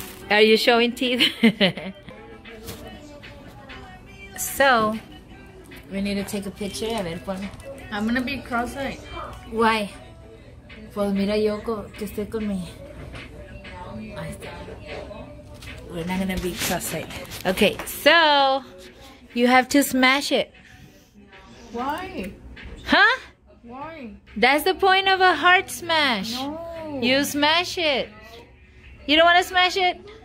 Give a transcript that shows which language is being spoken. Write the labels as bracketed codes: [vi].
[en] Are you showing teeth? So, We need to take a picture. [es] A ver, ponme. [en] I'm gonna be cross-eyed. Why? [es] Pues mira yo que estoy con mi... Ahí está. [en] We're not gonna be cross-eyed. Okay, so you have to smash it. Why? Huh? Why? That's the point of a heart smash. No. You smash it. You don't want to smash it?